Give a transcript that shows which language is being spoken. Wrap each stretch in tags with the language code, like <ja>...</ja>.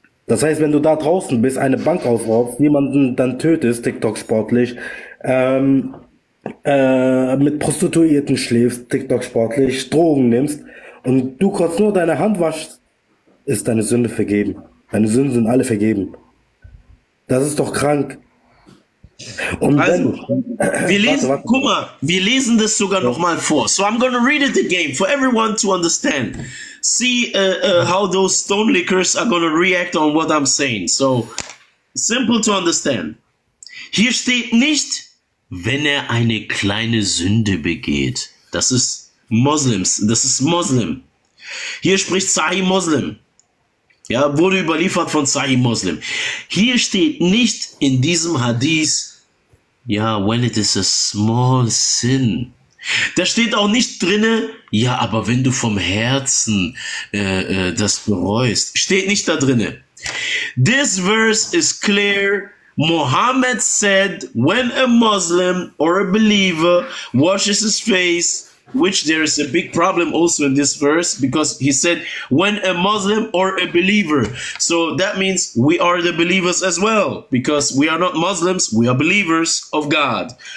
<de>Das heißt, wenn du da draußen bist, eine Bank aufraubst, jemanden dann tötest, TikTok-sportlich, mit Prostituierten schläfst, TikTok-sportlich, Drogen nimmst und du kurz nur deine Hand waschst, ist deine Sünde vergeben. Deine Sünden sind alle vergeben. Das ist doch krank. Und also, wir lesen das sogar nochmal vor.</de> <en>So I'm gonna read it again for everyone to understand. See how those stone lickers are gonna react on what I'm saying. So, simple to understand.</en> <de>Hier steht nicht, wenn er eine kleine Sünde begeht. Das ist Muslims, das ist Muslim. Hier spricht Sahih Muslim. Ja, wurde überliefert von Sahih Muslim. Hier steht nicht in diesem Hadith, ja,</de> <en>when it is a small sin.</en> <de>Da steht auch nicht drinne, ja, aber wenn du vom Herzen das bereust. Steht nicht da drinne.</de> <en>This verse is clear. Muhammad said, when a Muslim or a believer washes his face, which there is a big problem also in this verse, because he said, when a Muslim or a believer. So that means we are the believers as well, because we are not Muslims, we are believers of God.</en>